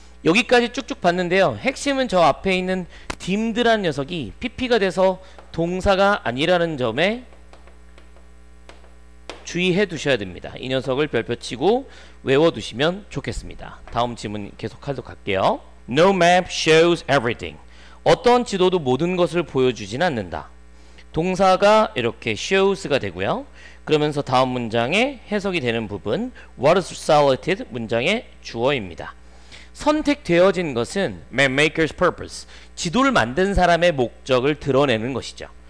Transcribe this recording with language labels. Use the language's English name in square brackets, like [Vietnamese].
[Korean] 여기까지 쭉쭉 봤는데요. 핵심은 저 앞에 있는 딤드라는 녀석이 PP가 돼서 동사가 아니라는 점에 주의해 두셔야 됩니다. 이 녀석을 별표 치고 외워 두시면 좋겠습니다. 다음 질문 계속하도록 할게요. [English] No map shows everything. [Korean] 어떤 지도도 모든 것을 보여주진 않는다. 동사가 이렇게 shows가 되고요. 그러면서 다음 문장에 해석이 되는 부분 [English] What is selected? [Korean] 문장의 주어입니다. 선택되어진 것은 [English] mapmaker's purpose. [Korean] 지도를 만든 사람의 목적을 드러내는 것이죠.